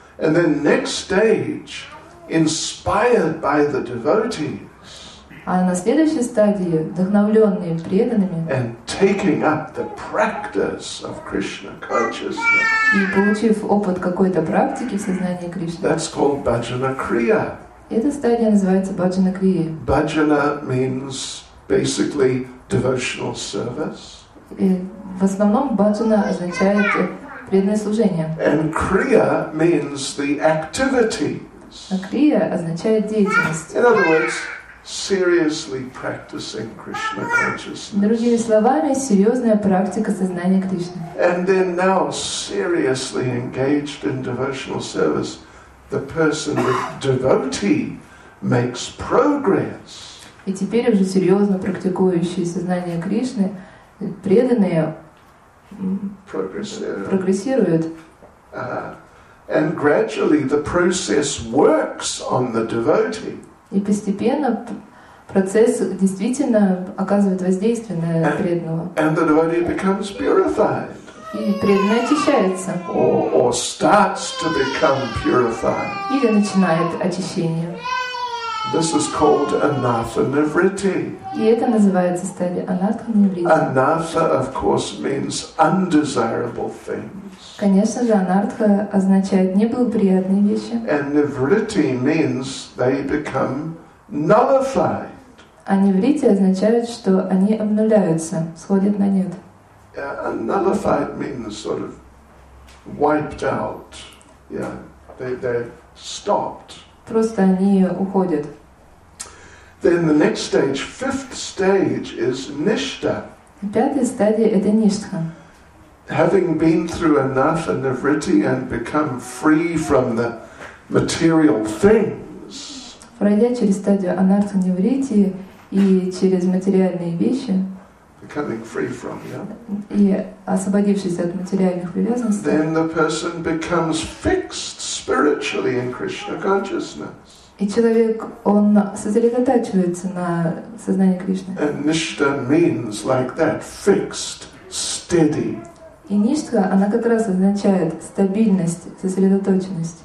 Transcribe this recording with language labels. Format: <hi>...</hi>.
<en>And then next stage, inspired by the devotees.</en> <ru>А на следующей стадии, вдохновленные преданными.</ru> <en>And taking up the practice of Krishna consciousness.</en> <ru>И получив опыт какой-то практики в сознании Кришны.</ru> <en>That's called bhajana kriya.</en> <ru>Эта стадия называется bhajana kriya.</ru> <en>Bhajana means basically devotional service.</en> <ru>В основном bhajana означает преданное служение.</ru> <en>And kriya means the activities.</en> <ru>А kriya означает деятельность.</ru> <en>In other words, seriously practicing Krishna consciousness.</en> <ru>Другими словами, серьезная практика сознания Кришны.</ru> <en>And then now seriously engaged in devotional service. The person, the devotee, makes progress.</en> <ru>И теперь уже серьезно практикующие сознание Кришны, преданные, прогрессируют.</ru> <en>And gradually the process works on the devotee.</en> <ru>И постепенно процесс действительно оказывает воздействие на преданного.</ru> <en>And the devotee becomes purified.</en> <ru>И преданный очищается.</ru> <en>Or starts to become purified.</en> <ru>Или начинает очищение.</ru> <en>This is called anatha nivritti.</en> <ru>И это называется стадия анатха нивритти.</ru> <en>Anatha, of course, means undesirable things.</en> <ru>Конечно же, анатха означает неблагоприятные вещи.</ru> <en>And nivritti means they become nullified.</en> <ru>А нивритти означает, что они обнуляются, сходят на нет.</ru> <en>Nullified means sort of wiped out. Yeah, they stopped.</en> <ru>Просто они уходят.</ru> <en>Then the next stage, fifth stage, is nishta.</en> <ru>Пятая стадия — это ништха.</ru> <en>Having been through enough and nivritti and become free from the material things.</en> <ru>Пройдя через стадию анартха нивритти и через материальные вещи.</ru> <en>Becoming free from, yeah.</en> <ru>И освободившись от материальных привязанностей.</ru> <en>Then the person becomes fixed spiritually in Krishna consciousness.</en> <ru>И человек, он сосредотачивается на сознании Кришны.</ru> <en>And nishta means like that, fixed, steady.</en> <ru>И ништха, она как раз означает стабильность, сосредоточенность.</ru>